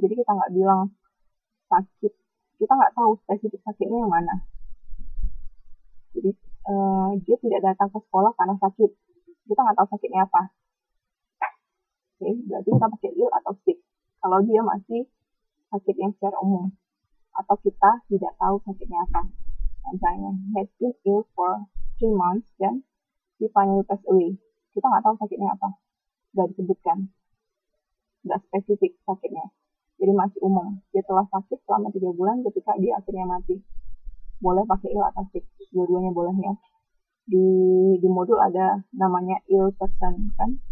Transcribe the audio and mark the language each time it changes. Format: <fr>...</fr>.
<id>Jadi kita nggak bilang sakit, kita nggak tahu spesifik sakitnya yang mana. Jadi dia tidak datang ke sekolah karena sakit, kita nggak tahu sakitnya apa. Okay, berarti kita pakai ill atau sick kalau dia masih sakit yang secara umum atau kita tidak tahu sakitnya apa.</id> <en>Misalnya, has been ill for 3 months dan he finally passed away.</en> <id>Kita nggak tahu sakitnya apa, nggak disebutkan, nggak spesifik sakitnya. jadi masih umum. Dia telah sakit selama 3 bulan ketika dia akhirnya mati. Boleh pakai il atau sick, dua-duanya boleh ya. Di modul ada namanya ill person, kan?</id>